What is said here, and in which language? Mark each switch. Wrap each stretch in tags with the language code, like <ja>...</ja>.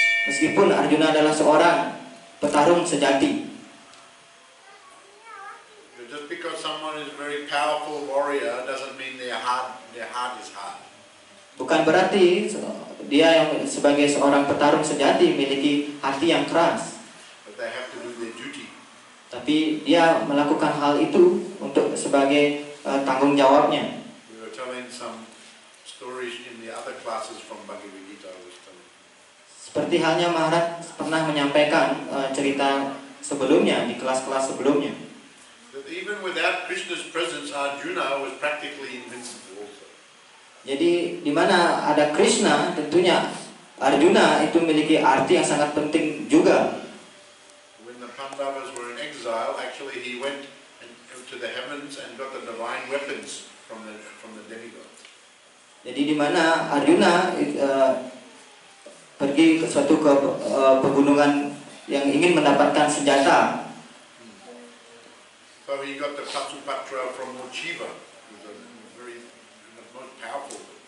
<id>Meskipun Arjuna adalah seorang petarung sejati.</id> <en>Just because someone is a very powerful warrior doesn't mean their heart is hard.</en> <id>Bukan berarti dia yang sebagai seorang petarung sejati memiliki hati yang keras.</id> <en>But they have to do their duty.</en> <id>Tapi dia melakukan hal itu untuk sebagai tanggung jawabnya.</id> <en>We were telling some stories in the other classes from Bhagavad Gita.</en> <id>Seperti halnya Maharaj pernah menyampaikan cerita sebelumnya di kelas-kelas sebelumnya.</id> <en>Even without Krishna's presence, Arjuna was practically invincible. Also.</en> <id>Jadi di mana ada Krishna, tentunya Arjuna itu memiliki arti yang sangat penting juga.</id> <en>When the Pandavas were in exile, actually he went to the heavens and got the divine weapons from the demigods.</en> <id>Jadi di mana Arjuna pergi ke suatu ke pegunungan yang ingin mendapatkan senjata.</id> <en>So he got the Pasupatra from Mochiva, who's a very most powerful.</en>